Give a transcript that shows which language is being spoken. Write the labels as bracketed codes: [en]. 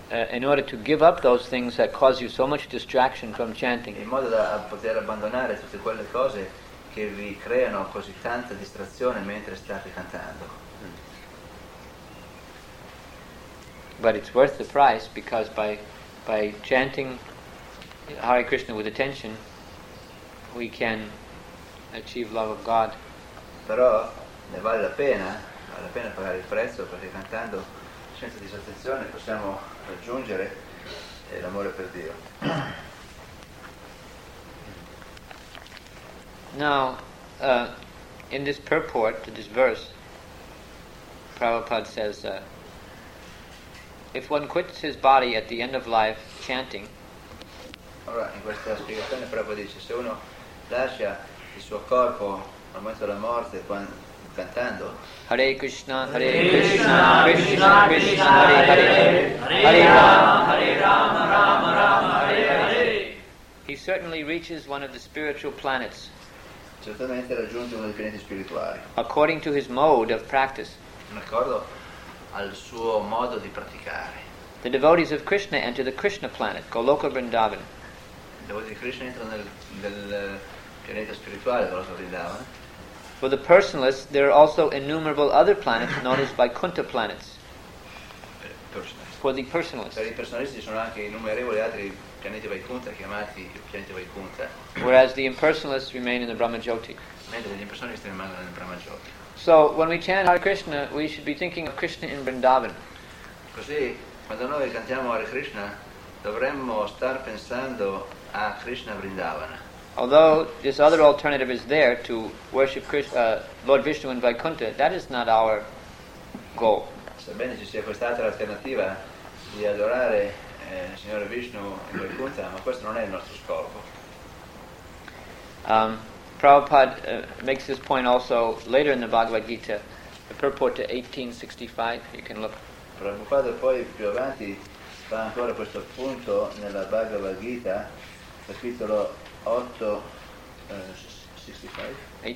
[en] in order to give up those things that cause you so much distraction from chanting. [it] In modo da poter abbandonare tutte quelle cose che vi creano così tanta distrazione mentre state cantando. [en] But it's worth the price, because by chanting Hare Krishna with attention, we can achieve love of God. [it] Però ne vale la pena pagare il prezzo, perché cantando senza disattenzione possiamo raggiungere l'amore per Dio. [en] Now, in this purport to this verse, Prabhupada says, if one quits his body at the end of life chanting, [it] allora in questa spiegazione Prabhupada dice, se uno lascia il suo corpo al momento della morte quando cantando [en] Hare Krishna, Hare Krishna, Krishna Krishna, Hare Hare, Hare Rama, Hare Rama, Rama Rama, Hare Hare, he certainly reaches one of the spiritual planets. [it] Certamente raggiunge uno dei pianeti spirituali. [en] According to his mode of practice. [it] In accordo al suo modo di praticare. [en] The devotees of Krishna enter the Krishna planet, Goloka Vrindavan. [it] I devoti di Krishna entrano nel pianeta spirituale, Goloka Vrindavan. [en] For the personalists, there are also innumerable other planets known as Vaikuntha planets. For the personalists. [it] Per i personalisti sono anche innumerevoli altri pianeti Vaikuntha chiamati pianeti Vaikuntha. [en] Whereas the impersonalists remain in the Brahmajyoti. [it] Mentre gli impersonalisti rimangono nel Brahmajyoti. [en] So when we chant Hare Krishna, we should be thinking of Krishna in Vrindavan. [it] Così, quando noi cantiamo Hare Krishna, dovremmo star pensando a Krishna Vrindavana. [en] Although this other alternative is there to worship Lord Vishnu in Vaikuntha, that is not our goal. [it] Sebbene ci sia quest'altra alternativa di adorare il Signore Vishnu in Vaikuntha, ma questo non è il nostro scopo. [en] Prabhupada makes this point also later in the Bhagavad Gita, the purport to 1865. You can look. [it] Prabhupada poi più avanti fa ancora questo punto nella Bhagavad Gita, capitolo 1865.